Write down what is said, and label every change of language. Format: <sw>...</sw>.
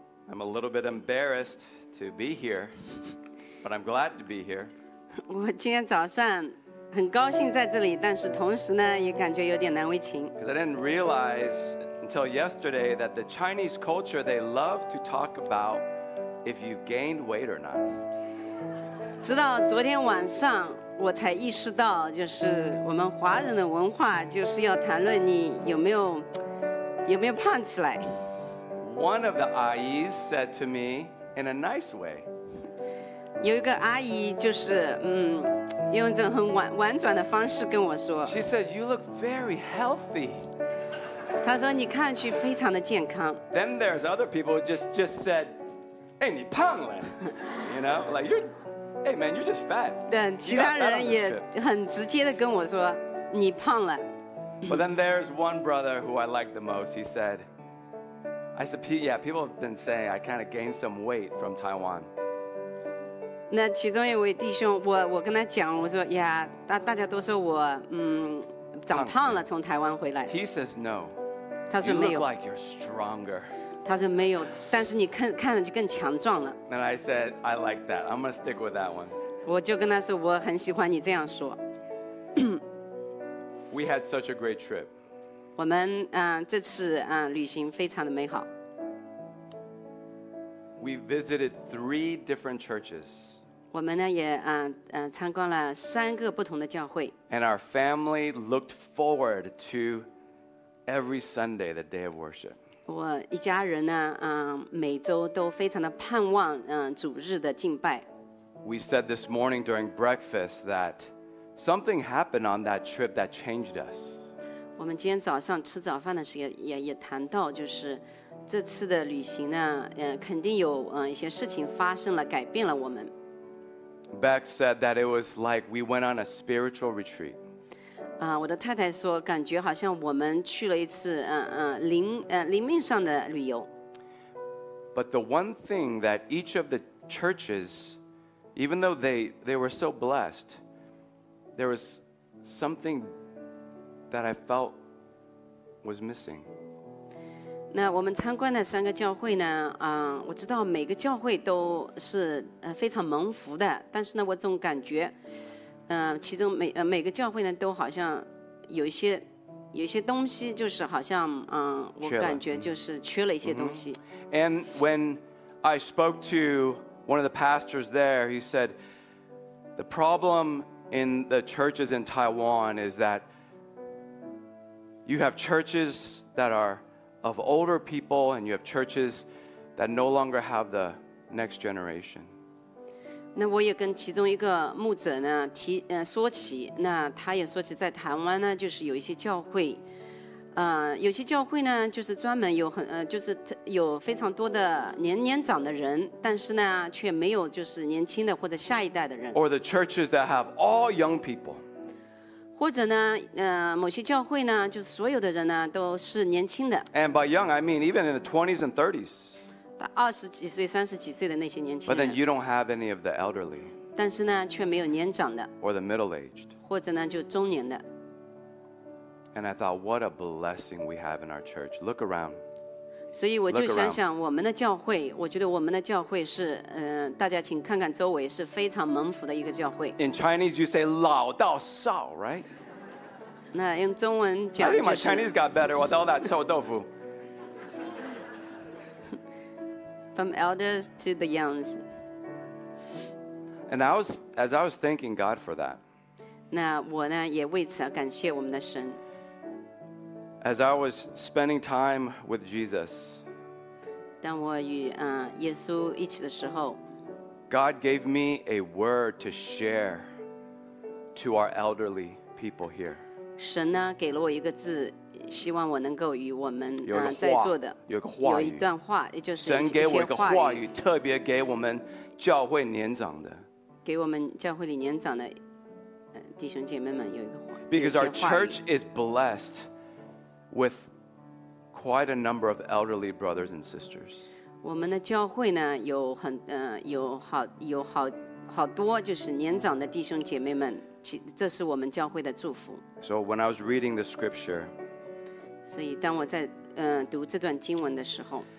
<en>I'm a little bit embarrassed to be here, but I'm glad to be here.</en> <zh>我今天早上很高兴在这里，但是同时呢，也感觉有点难为情。</zh> <en>Because I didn't realize until yesterday that the Chinese culture, they love to talk about if you gained weight or not.</en> <zh>直到昨天晚上我才意识到，就是我们华人的文化就是要谈论你有没有胖起来。</zh> <en>One of the Ayes said to me in a nice way.</en> <zh>有一个阿姨就是用一种很婉转的方式跟我说。</zh> <en>She said, you look very healthy.</en> <zh>她说你看去非常的健康。</zh> <en>Then there's other people who just said,</en> <zh>哎，你胖了。</zh> <en>You know, like you're... Hey man, you're just fat.</en> <zh>但其他人也很直接地跟我说，你胖了。</zh> <en>But then there's one brother who I like the most. He said, I said, yeah, people have been saying I kind of gained some weight from Taiwan.</en> <zh>那其中一位弟兄，我跟他讲，我说呀，大家都说我长胖了，从台湾回来。</zh> <en>He says no.</en> <zh>他说没有。</zh> <en>You look like you're stronger.</en> <zh>他说没有，但是你看上去更强壮了。</zh> <en>And I said, I like that. I'm going to stick with that one.</en> <zh>我就跟他说，我很喜欢你这样说。</zh> <en>We had such a great trip.</en> <zh>我们这次旅行非常的美好。</zh> <en>We visited three different churches.</en> <zh>我们呢也参观了三个不同的教会。</zh> <en>And our family looked forward to every Sunday, the day of worship.</en> <zh>我一家人呢，每周都非常的盼望，主日的敬拜。</zh> <en>We said this morning during breakfast that something happened on that trip that changed us.</en> <zh>我们今天早上吃早饭的时候也谈到，就是这次的旅行呢，肯定有一些事情发生了，改变了我们。</zh> <en>Beck said that it was like we went on a spiritual retreat.</en> <zh>我的太太说，感觉好像我们去了一次灵命上的旅游。</zh> <en>But the one thing that each of the churches, even though they were so blessed, there was something that I felt was missing.</en> <zh>那我们参观的三个教会呢？我知道每个教会都是非常蒙福的，但是呢，我总感觉。其中每个教会呢都好像有一些东西，就是好像我感觉就是缺了一些东西。</zh> <en>And when I spoke to one of the pastors there, he said the problem in the churches in Taiwan is that you have churches that are of older people and you have churches that no longer have the next generation.</en> <zh>那我也跟其中一个牧者呢说起，那他也说起在台湾呢，就是有一些教会，有些教会呢就是专门有就是有非常多的年长的人，但是呢却没有就是年轻的或者下一代的人。</zh> <en>Or the churches that have all young people.</en> <zh>或者呢，某些教会呢，就所有的人呢都是年轻的。</zh> <en>And by young, I mean even in the 20s and 30s.</en> <zh>二十几岁、三十几岁的那些年轻人。</zh> <en>But then you don't have any of the elderly.</en> <zh>但是呢，却没有年长的。</zh> <en>Or the middle-aged.</en> <zh>或者呢，就中年的。</zh> <en>And I thought, what a blessing we have in our church. Look around.</en> <zh>所以我就想想我们的教会，我觉得我们的教会是，大家请看看周围是非常蒙福的一个教会。</zh> <en>In Chinese, you say</en> <zh>老到少</zh> <en>right?</en> <zh>那用中文讲。</zh> <en>I think my Chinese got better with all that 臭豆腐。 From elders to the young. And as I was thanking God for that,</en> <zh>那我呢也为此而感谢我们的神。</zh> <en>As I was spending time with Jesus,</en> <zh>当我与耶稣一起的时候，</zh> <en>God gave me a word to share to our elderly people here.</en> <zh>神呢给了我一个字。希望我能够与我们在座的有个话语，有一段话，也就是神给我一个话语，特别给我们教会年长的，给我们教会里年长的弟兄姐妹们有一个话。</zh> <en>Because our church is blessed with quite a number of elderly brothers and sisters.</en> <zh>我们的教会呢有很有好多就是年长的弟兄姐妹们，这是我们教会的祝福。</zh> <en>So when I was reading the scripture.</en> <zh>所以当我在读这段经文的时候</zh>